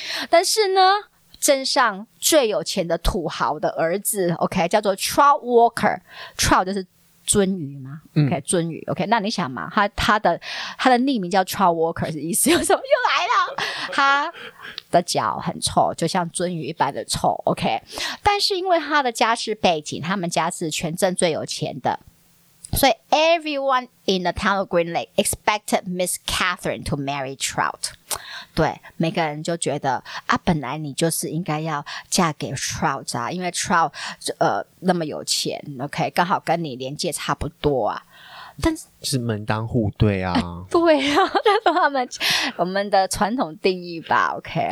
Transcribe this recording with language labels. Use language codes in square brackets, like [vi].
[zh] 但是呢，镇上最有钱的土豪的儿子 OK， 叫做 Trout Walker， Trout 就是鳟鱼吗 ？OK， 鳟、嗯、鱼 OK， 那你想嘛，他的匿名叫 Trout Walker， 意思有什么？又来了，他的脚很臭，就像鳟鱼一般的臭 OK。但是因为他的家世背景，他们家是全镇最有钱的，所以 [en] everyone in the town of Green Lake expected Miss Catherine to marry Trout。 [zh] 对，每个人就觉得啊，本来你就是应该要嫁给 Trout 啊，因为 Trout 那么有钱 OK， 刚好跟你年纪差不多啊，但是门当户对啊、哎、对啊，这是我们的传统定义吧 OK。